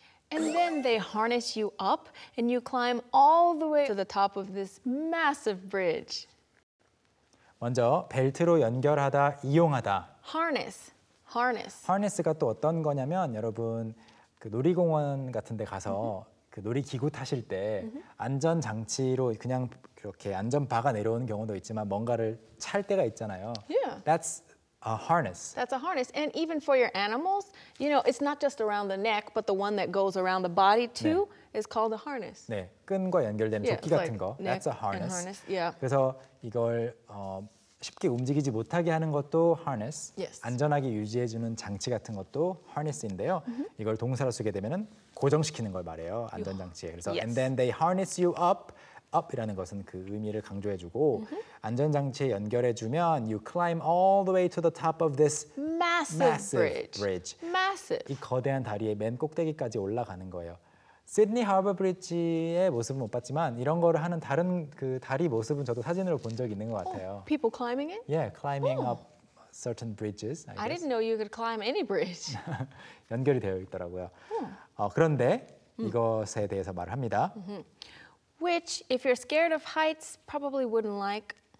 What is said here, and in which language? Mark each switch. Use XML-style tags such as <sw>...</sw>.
<en>And then they harness you up and you climb all the way to the top of this massive bridge.</en> <ko>먼저 벨트로 연결하다, 이용하다.</ko> <en>Harness, harness.</en> <ko>Harness가 또 어떤 거냐면 여러분 그 놀이공원 같은 데 가서 그 놀이기구 타실 때 안전장치로 그냥 이렇게 안전바가 내려오는 경우도 있지만 뭔가를 찰 때가 있잖아요.</ko> <en>Yeah. That's a harness. That's a harness. And even for your animals, you know, it's not just around the neck, but the one that goes around the body too 네. is called a harness.</en> <ko>네, 끈과 연결된 조끼 같은</ko> <en>like</en> <ko>거.</ko> <en>That's a harness. Harness. Yeah.</en> <ko>그래서 이걸 쉽게 움직이지 못하게 하는 것도 harness.</ko> <en>Yes.</en> <ko>안전하게 유지해주는 장치 같은 것도 harness인데요. Mm-hmm. 이걸 동사로 쓰게 되면은 고정시키는 걸 말해요. 안전장치에. 그래서</ko> <en>yes. And then they harness you up.</en> <ko>Up이라는 것은 그 의미를 강조해주고 안전장치에 연결해주면</ko> <en>you climb all the way to the top of this massive bridge. Massive.</en> <ko>이 거대한 다리의 맨 꼭대기까지 올라가는 거예요. 시드니 하버 브릿지의 모습은 못 봤지만 이런 거를 하는 다른 그 다리 모습은 저도 사진으로 본 적이 있는 것 같아요.</ko> <en>Oh, people climbing it? Yeah, climbing up certain bridges. I didn't know you could climb any bridge.</en> <ko>연결이 되어 있더라고요. 그런데 이것에 대해서 말을 합니다.</ko> <en>Which, if you're scared of heights, probably wouldn't like.</en>